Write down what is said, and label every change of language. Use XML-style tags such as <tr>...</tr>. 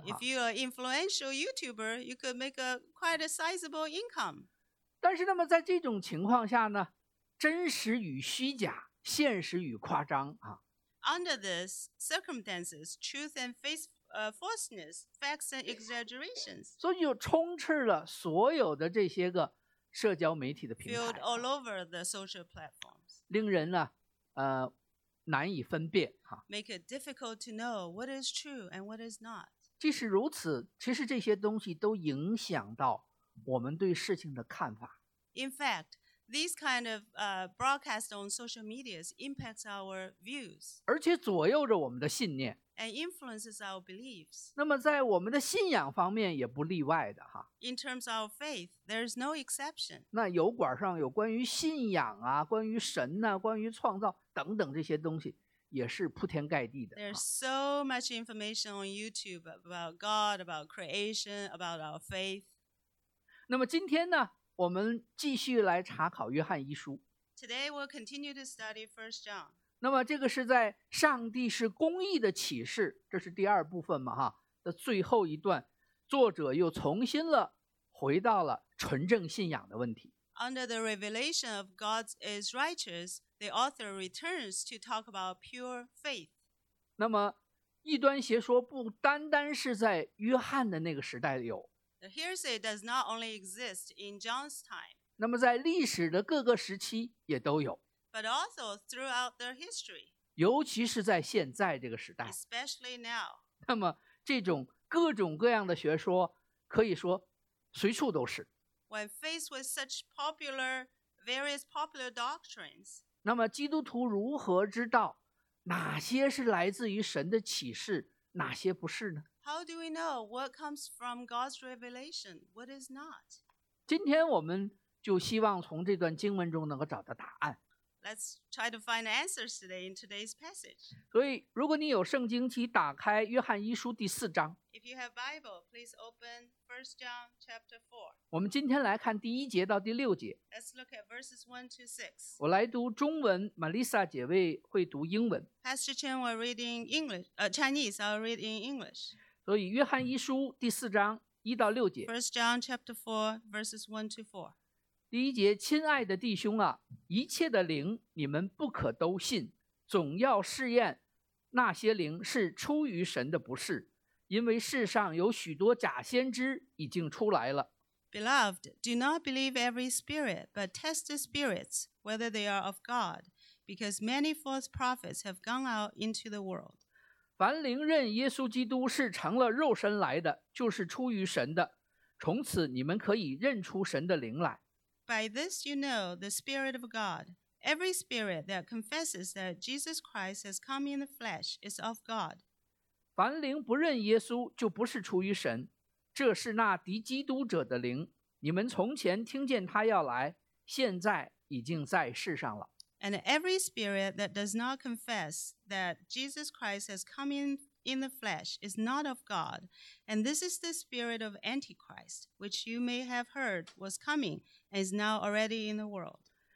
<en>If you're an influential YouTuber, you could make quite a sizable income.</en> <zh>但是那么在这种情况下呢，真实与虚假，现实与夸张啊。</zh> <en>Under this circumstances, truth and falseness, facts and exaggerations.</en> <zh>所以就充斥了所有的这些个社交媒体的平台。</zh> <en>Filled all over the social platforms.</en> <zh>令人呢，难以分辨哈。</zh> <en>Make it difficult to know what is true and what is not.</en> <zh>即使如此，其实这些东西都影响到我们对事情的看法。</zh> <en>In fact, these kind of broadcasts on social media impacts our views.</en> <zh>而且左右着我们的信念。</zh> <en>And influences our beliefs.</en> <zh>那么在我们的信仰方面也不例外的哈。</zh> <en>In terms of faith, there is no exception.</en> <zh>那油管上有关于信仰啊，关于神啊，关于创造等等这些东西也是铺天盖地的。</zh> <en>There's so much information on YouTube about God, about creation, about our faith.</en> <zh>那么今天呢，我们继续来查考约翰一书。</zh> <en>Today we'll continue to study 1 John.</en> <zh>那么这个是在上帝是公义的启示，这是第二部分嘛哈的最后一段，作者又重新了回到了纯正信仰的问题。</zh> <en>Under the revelation of God is righteous, the author returns to talk about pure faith.</en> <zh>那么异端邪说不单单是在约翰的那个时代有。</zh> <en>The heresy does not only exist in John's time.</en> <zh>那么在历史的各个时期也都有。</zh> <en>But also throughout their history.</en> <zh>尤其是在现在这个时代。</zh> <en>Especially now.</en> <zh>那么这种各种各样的学说可以说随处都是。</zh> <en>When faced with such popular, various popular doctrines,</en> <zh>那么基督徒如何知道哪些是来自于神的启示，哪些不是呢？</zh> <en>How do we know what comes from God's revelation, what is not?</en> <zh>今天我们就希望从这段经文中能够找到答案。</zh> <en>Let's try to find answers today in today's passage.</en> <zh>所以如果你有圣经，请打开约翰一书第四章。</zh> <en>If you have Bible, please open 1 John chapter 4.</en> <zh>我们今天来看第一节到第六节。</zh> <en>Let's look at verses 1 to 6.</en> <zh>我来读中文， Melissa 姐妹会读英文。</zh> <en>Pastor Chen will read in English, Chinese, I'll read in English.</en> <zh>所以约翰一书第四章一到六节。</zh> <en>1 John chapter 4, verses 1 to 4.</en> <zh>第一节，亲爱的弟兄啊，一切的灵你们不可都信，总要试验那些灵是出于神的不是，因为世上有许多假先知已经出来了。</zh> <en>Beloved, do not believe every spirit, but test the spirits whether they are of God, because many false prophets have gone out into the world.</en> <zh>凡灵认耶稣基督是成了肉身来的，就是出于神的，从此你们可以认出神的灵来。</zh> <en>By this you know the Spirit of God. Every spirit that confesses that Jesus Christ has come in the flesh is of God.</en> <zh>凡灵不认耶稣就不是出于神，这是那敌基督者的灵，你们从前听见他要来，现在已经在世上了。</zh> <en>And every spirit that does not confess that Jesus Christ has come in the flesh is not of God, and this is the spirit of Antichrist, which you may have heard was coming and is now already in the world.</en>